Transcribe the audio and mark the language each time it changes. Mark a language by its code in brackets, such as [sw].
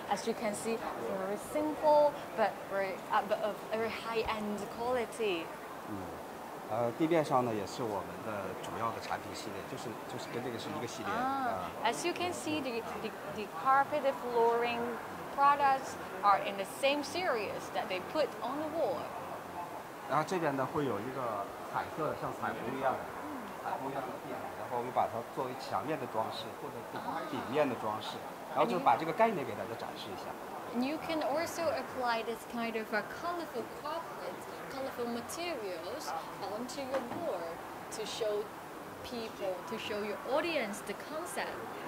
[en] As you can see, very simple but of very high end quality. [zh] 地面上呢也是我们的主要的产品系列，就是跟这个是一个系列。 [en] As you can see, the carpet flooring. Products are in the same series that they put on the wall. [zh] 然后这边呢会有一个彩色，像彩虹一样的垫，然后我们把它作为墙面的装饰或者顶面的装饰，然后就把这个概念给大家展示一下。 [en] And you can also apply this kind of a colorful carpet, colorful materials onto your wall to show people, to show your audience the concept.